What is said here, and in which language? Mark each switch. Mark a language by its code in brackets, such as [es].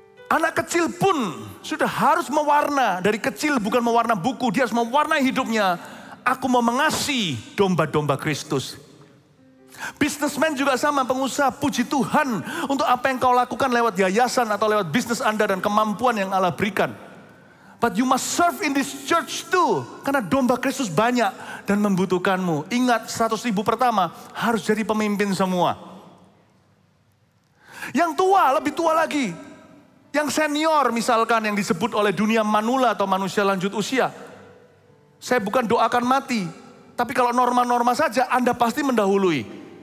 [id] Anak kecil pun sudah harus mewarna. Dari kecil bukan mewarna buku, dia harus mewarnai hidupnya. Aku mau mengasihi domba-domba Kristus. Businessman juga sama, pengusaha. Puji Tuhan untuk apa yang kau lakukan lewat yayasan atau lewat bisnis Anda dan kemampuan yang Allah berikan. [en] But you must serve in this church too. [id] Karena domba Kristus banyak dan membutuhkanmu. Ingat, 100 ribu pertama harus jadi pemimpin semua. Yang tua, lebih tua lagi. Yang senior misalkan, yang disebut oleh dunia manula atau manusia lanjut usia. Saya bukan doakan mati, tapi kalau norma-norma saja, Anda pasti mendahului.